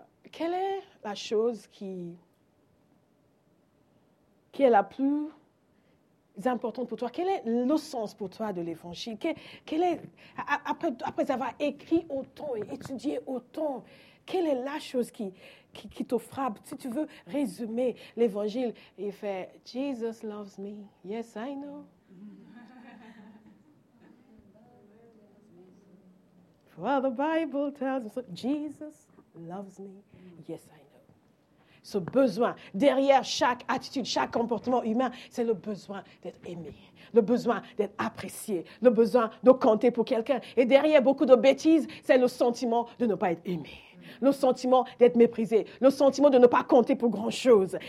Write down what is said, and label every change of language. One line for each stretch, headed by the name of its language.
French: Quelle est la chose qui est la plus importante pour toi? Quel est le sens pour toi de l'évangile? Après avoir écrit autant et étudié autant, quelle est la chose qui te frappe? Si tu veux résumer l'évangile, il fait «
English: Jesus loves me. Yes, I know. » Well, the Bible tells us « Jesus loves me. Yes, I know.
French: » Ce besoin, derrière chaque attitude, chaque comportement humain, c'est le besoin d'être aimé, le besoin d'être apprécié, le besoin de compter pour quelqu'un. Et derrière beaucoup de bêtises, c'est le sentiment de ne pas être aimé. Le sentiment d'être méprisé, le sentiment de ne pas compter pour grand-chose.